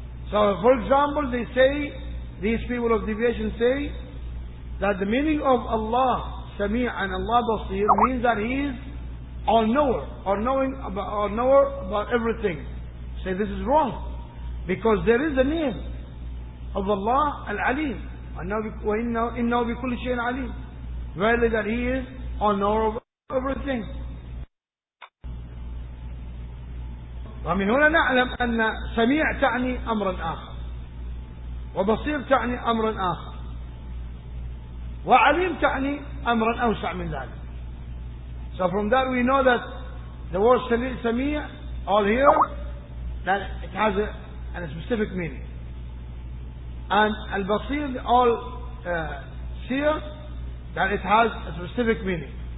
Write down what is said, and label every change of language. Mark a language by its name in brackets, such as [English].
[English] So for example, they say, these people of deviation say that the meaning of Allah Sami'an, Allah Basir, means that He is all knower, all knowing about, all knower about everything. Say this is wrong, because there is a name of Allah Al-Alim, [Arabic] إِنَّهُ بِكُلِّ شَيْءٍ عَلِيمٍ, [English] verily that He is all knower of everything. [Arabic] ومن هنا نعلم أن سميع تعني أمرا آخر, وبصير تعني أمرا آخر, وعليم تعني أمرا أوسع من ذلك. [English] So from that we know that the word سميع all here, that it has a specific meaning. And البصير all seer, that it has a specific meaning.